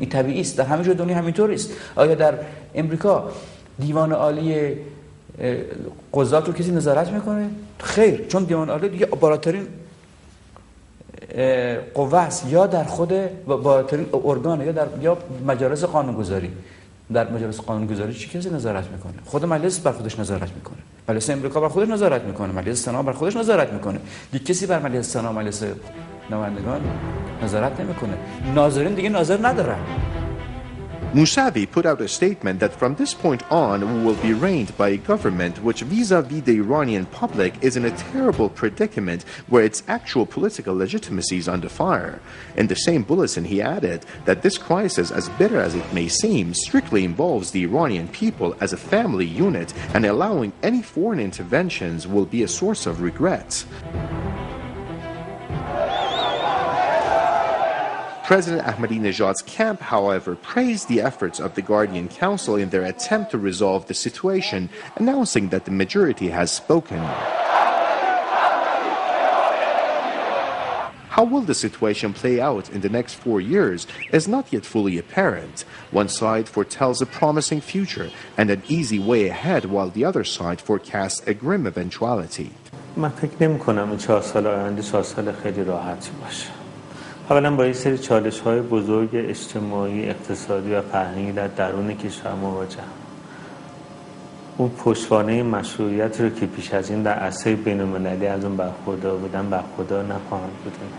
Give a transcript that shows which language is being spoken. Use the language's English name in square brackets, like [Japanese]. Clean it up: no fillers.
[Persian] این طبیعی است، در همه جای دنیا همینطور است. آیا در امریکا دیوان عالی قضات رو کسی نظارت میکنه؟ خیر، چون دیوان عالی دیگه بالاترین قوه است، یا در خود و بالاترین ارگان یا در یا مجلس قانونگذاری. در مجلس قانونگذاری چی کسی نظارت میکنه؟ خود مجلس بر خودش نظارت میکنه، مجلس امریکا بر خودش نظارت میکنه، مجلس سنا بر خودش نظارت میکنه، دیگه کسی بر مجلس سنا مجلس نمایندگان نظارت نمیکنه، ناظرین دیگه ناظر ندارن. [English] Mousavi put out a statement that from this point on we will be reigned by a government which vis-a-vis the Iranian public is in a terrible predicament where its actual political legitimacy is under fire. In the same bulletin he added that this crisis, as bitter as it may seem, strictly involves the Iranian people as a family unit, and allowing any foreign interventions will be a source of regret. President Ahmadinejad's camp, however, praised the efforts of the Guardian Council in their attempt to resolve the situation, announcing that the majority has spoken. How will the situation play out in the next 4 years is not yet fully apparent. One side foretells a promising future and an easy way ahead, while the other side forecasts a grim eventuality. [Persian] من فکر نمی کنم این 4 سال آینده 4 سال خیلی راحتی باشه. اولا با این سری چالش های بزرگ اجتماعی، اقتصادی و فرهنگی در درون کشور مواجهم. اون پشتوانه مشروعیت رو که پیش از این در عرصه بین المللی از اون برخوردار بودن برخوردار نخواهم بود.